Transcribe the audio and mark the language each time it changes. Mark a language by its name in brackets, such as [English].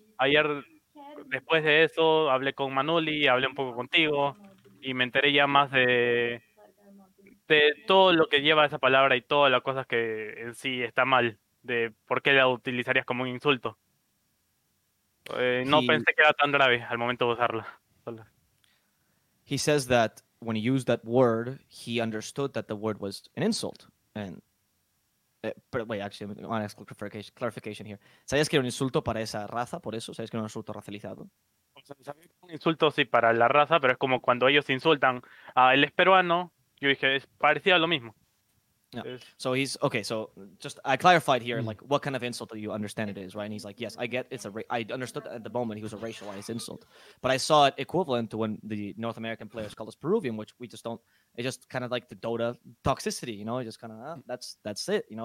[Spanish] Ayer, después de eso, hablé con Manoli, hablé un poco contigo, y me enteré ya más de todo lo que lleva esa palabra y todas las cosas que en sí está mal, de por qué la utilizarías como un insulto. No pensé que era tan grave al momento de usarla. [English] He says that when he used that word, he understood that the word was an insult. And but wait, actually, I want to ask clarification here. [Spanish] ¿Sabías que era un insulto para esa raza, por eso? ¿Sabías que era un insulto racializado? Sabía que era un insulto, sí, para la raza, pero es como cuando ellos insultan a él es peruano, yo dije, parecía lo mismo. [English] Yeah. So he's okay. So just I clarified here, like, what kind of insult do you understand it is, right? And he's like, yes, I get it's a. I understood at the moment he was a racialized insult, but I saw it equivalent to when the North American players called us Peruvian, which we just don't. It's just kind of like the Dota toxicity, you know. It's just kind of that's it, you know.